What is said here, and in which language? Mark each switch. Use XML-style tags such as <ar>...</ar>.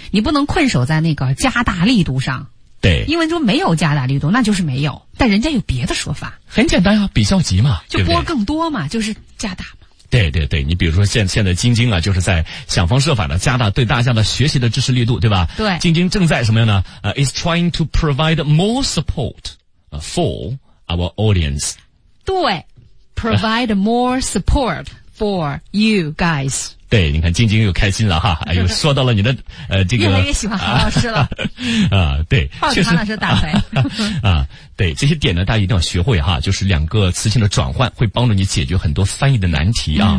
<zh>你不能困守在那个加大力度上。对，英文中没有加大力度，那就是没有。但人家有别的说法。很简单啊，比较级嘛，就拨更多嘛，就是加大嘛。对对对，你比如说现在晶晶啊，就是在想方设法的加大对大家的学习的支持力度，对吧？对，晶晶正在什么样呢？</zh> <en>Is trying to provide more support for our audience。对 ，provide more support for you guys。</en> <zh>对，你看晶晶又开心了哈，哎，又说到了你的这个越来越喜欢韩老师了啊，对，抱着韩老师打牌啊，对，这些点呢，大家一定要学会哈，就是两个词性的转换，会帮助你解决很多翻译的难题啊。</zh>